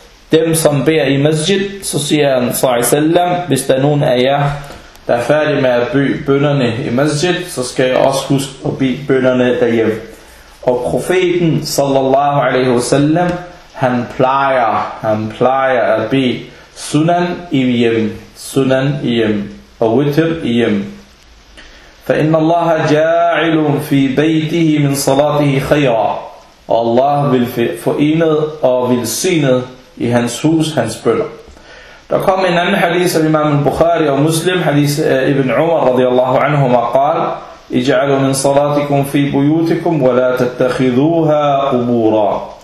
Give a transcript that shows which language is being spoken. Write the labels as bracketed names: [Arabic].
[Danish] Dem som beder i masjid, så siger han صلى الله عليه وسلم, hvis der er nogen af jer, der er færdig med at bede bønderne i masjid, så skal jeg også huske at bede bønderne derhjem. Og profeten صلى الله عليه وسلم, han plejer at bede sunan i hjem og witr i hjem. [Arabic] فإن الله جاعل في بيته من صلاته خيرا. الله بالفؤينه او بالسينه [Danish] i hans hus hans bønner. Der kom en anden hadith af Imam al-Bukhari og Muslim, hadith Ibn Umar radiyallahu anhu ma qal, [Arabic] اجعلوا من صلاتكم في بيوتكم ولا تتخذوها قبورا.